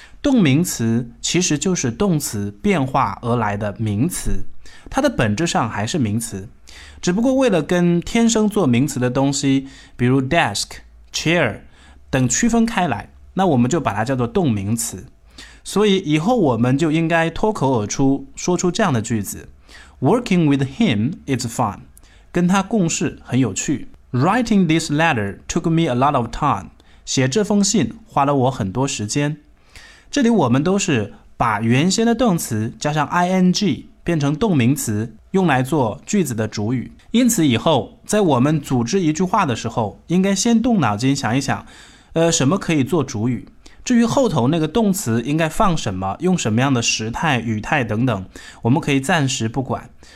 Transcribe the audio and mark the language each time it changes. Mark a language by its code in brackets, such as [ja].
[zh] 动名词其实就是动词变化而来的名词，它的本质上还是名词，只不过为了跟天生做名词的东西，比如 desk、chair 等区分开来，那我们就把它叫做动名词。所以以后我们就应该脱口而出说出这样的句子， [en] Working with him is fun， [zh] 跟他共事很有趣。 [en] Writing this letter took me a lot of time， [zh] 写这封信花了我很多时间。这里我们都是把原先的动词加上 ing 变成动名词，用来做句子的主语。因此以后在我们组织一句话的时候，应该先动脑筋想一想，什么可以做主语，至于后头那个动词应该放什么，用什么样的时态语态等等，我们可以暂时不管。